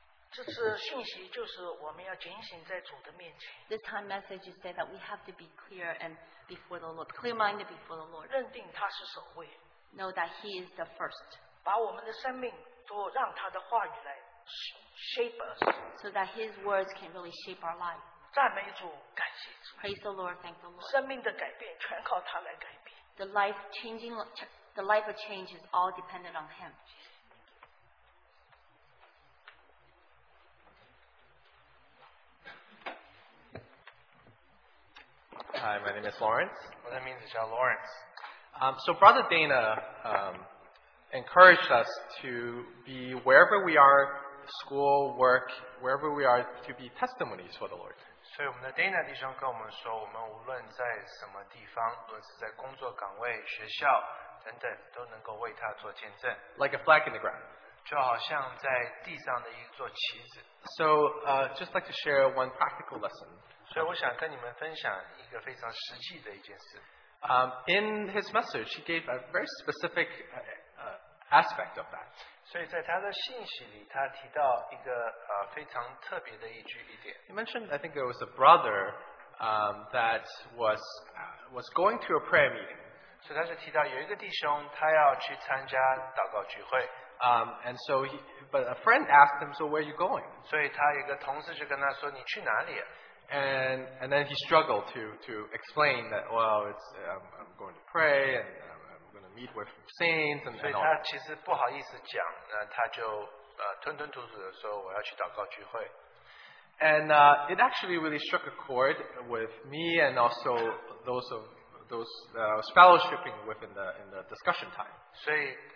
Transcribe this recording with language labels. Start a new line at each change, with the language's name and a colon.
Chinese: 这次讯息就是我们要警醒在主的面前,
English: this time message is that we have to be clear and before the Lord, clear minded before the Lord.
Chinese: 认定他是首位,
English: know that He is the first.
Chinese: 把我们的生命都让他的话语来
English: shape us. So that His words can really shape our life.
Chinese: 赞美主, 感谢主,
English: praise the Lord, thank the Lord.
Chinese: 生命的改变, 全靠他来改变,
English: the life of change is all dependent on Him.
Chinese: 谢谢.
English: Hi, my name is Lawrence. Well, that means it's our Lawrence. So Brother Dana encouraged us to be wherever we are, school, work, wherever we are, to be testimonies for the Lord.
Chinese: 所以我们的Dana弟兄跟我们说，我们无论在什么地方，无论是在工作岗位、学校等等，都能够为他做见证。
English: Like a flag in the ground.
Chinese: 就好像在地上的一座旗子。
English: So, just like to share one practical lesson.
Chinese: 所以我想跟你们分享一个非常实际的一件事。
English: In his message, he gave a very specific aspect of that.
Chinese: 所以在他的信息里，他提到一个 非常特别的一句一点。
English: He mentioned, I think it was a brother that was going to a prayer meeting.
Chinese: 所以他是提到有一个弟兄，他要去参加祷告聚会。
English: And so, but a friend asked him, "So where are you going?"
Chinese: 所以他一个同事就跟他说，你去哪里？
English: And then he struggled to explain that, well, it's I'm going to pray and I'm going to meet with saints and all.
Chinese: 所以他其实不好意思讲，那他就吞吞吐吐的说我要去祷告聚会。
English: And it actually really struck a chord with me and also those that I was fellowshipping with in the discussion time.